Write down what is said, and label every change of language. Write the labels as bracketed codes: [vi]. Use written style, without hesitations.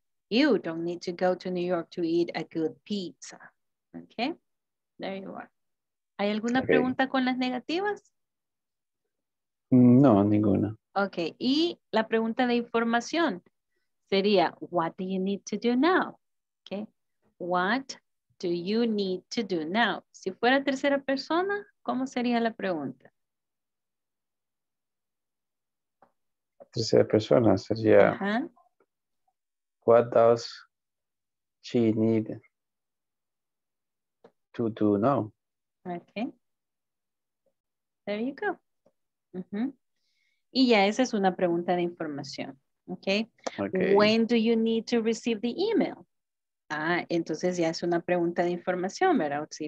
[en] You don't need to go to New York to eat a good pizza. [es] ¿Ok? [en] There you are. [es] ¿Hay alguna okay. pregunta con las negativas? No, ninguna. Ok. Y la pregunta de información. [en] Sería, what do you need to do now? Okay. What do you need to do now? [es] Si fuera tercera persona, ¿cómo sería la pregunta? Tercera persona sería, [en] what does she need to do now? [es] Okay. [en] There you go. [es] Y ya esa es una pregunta de información. Okay. Okay. [en] When do you need to receive the email? [es] Ah, entonces ya es una pregunta de información, ¿verdad?